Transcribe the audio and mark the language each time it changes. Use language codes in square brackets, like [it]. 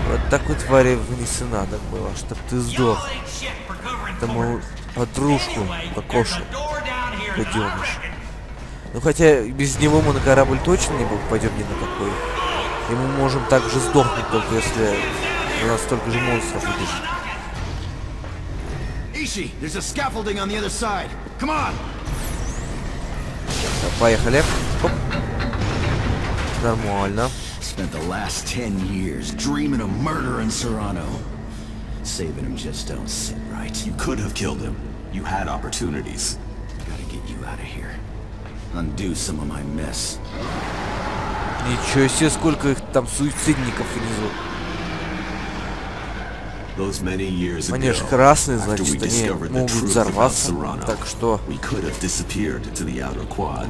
[ru] Так вот, твари, вниз и надо было, чтоб ты сдох. Тому подружку, кокошу, подёмыш. Ну, хотя, без него мы на корабль точно не попадем ни на какой. И мы можем так же сдохнуть, только если у нас столько же монстров будет. [en] Иши, there's a scaffolding on the other side. Come on! [ru] Так, поехали. Оп. Нормально. [en] Spent the last 10 years dreaming of murdering Serrano. Saving him just don't sit right. You could have killed him. You had opportunities. Gotta get you out of here. Undo some of my mess. [ru] Ничего себе, сколько их там суицидников внизу. [en] Those many years ago, [ru] они же красные, значит, они могут взорваться. Serrano, так что [en] we could have disappeared to the outer quads,